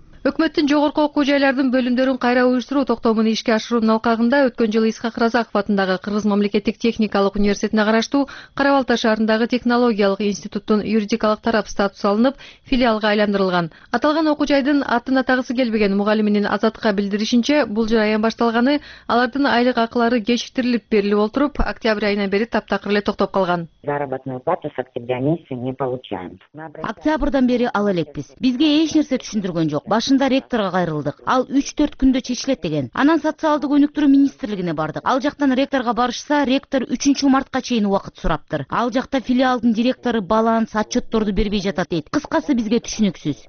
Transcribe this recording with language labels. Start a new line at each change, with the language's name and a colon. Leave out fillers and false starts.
Kyrgyz: Өкмөттүн жогорку окуу жайлардын бөлүмдөрүн кайра уюштуруу токтомун ишке ашыруунун алкагында өткөн жылы Исхак Разаков атындагы Кыргыз мамлекеттик техникалык университетине караштуу Карабалта шаарындагы технологиялык институттун юридикалык тарап статус алынып, филиалга айландырылган. Аталган окуу жайдын атын атагысы келбеген мугалиминин Азатка билдиришинче, бул жай аян башталганы, алардын айлык акылары кечиктирилип берилип отуруп, октябрь айынан бери таптакыр эле токтоп калган.
Russian: Заработную плату с октября месяца не получаем.
Kyrgyz: Октябрдан бери ал элекпиз. Бизге эч нерсе түшүндүргөн жок. Башында ректорго кайрылдык. Ал 3-4 күндө чечилет деген. Анан социалдык өнүктүрүү министрлигине бардык. Ал жактан ректорго барышса, ректор 3-чү мартка чейин убакыт сураптыр. Ал жакта филиалдын директору баланс отчетторду бербей жатат дейт. Кыскасы бизге түшүнүксүз.